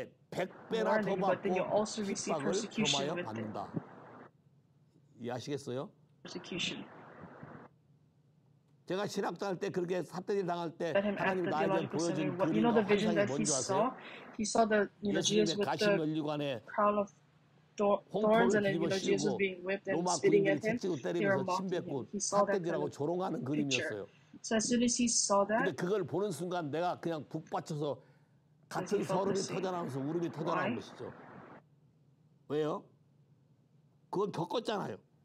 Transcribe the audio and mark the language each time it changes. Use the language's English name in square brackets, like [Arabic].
[English] but then you also receive persecution with it. [Korean] 이해하시겠어요? [English] Persecution. [Korean] 제가 신학당할 때 그렇게 삿대질 당할 때 하나님 나에게 보여준 그림이 you know, 환상이 뭔지 아세요? [English] He saw the, you know, Jesus with the crown of thorns and then you know, Jesus being whipped and spitting at him. They were mocking him. He saw that kind of picture. [Korean] 그림이었어요. [English] So as soon as he saw that, [Korean] 근데 그걸 보는 순간 내가 그냥 북받쳐서 같은 소름이 터져나오면서 울음이 터져나온 것이죠. 왜요? 그걸 겪었잖아요.